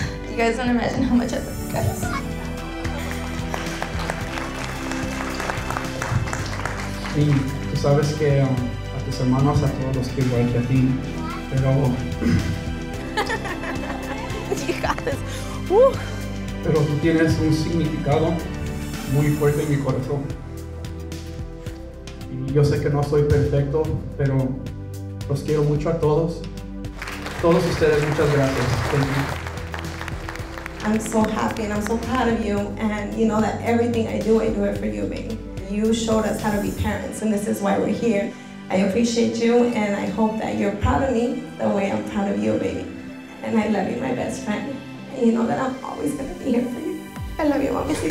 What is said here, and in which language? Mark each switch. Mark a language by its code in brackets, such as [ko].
[en] You guys don't imagine how much I love you guys. [es] Sí, tú sabes que a tus hermanos, a todos los que igual que a ti, pero... Chicas, Pero tú tienes un significado muy fuerte en mi corazón. Yo sé que no soy perfecto, pero los quiero mucho a todos. Todos ustedes, muchas gracias. [en] Thank you. I'm so happy and I'm so proud of you. And you know that everything I do it for you, babe. You showed us how to be parents, and this is why we're here. I appreciate you, and I hope that you're proud of me the way I'm proud of you, baby. And I love you, my best friend. And you know that I'm always gonna be here for you. I love you, obviously.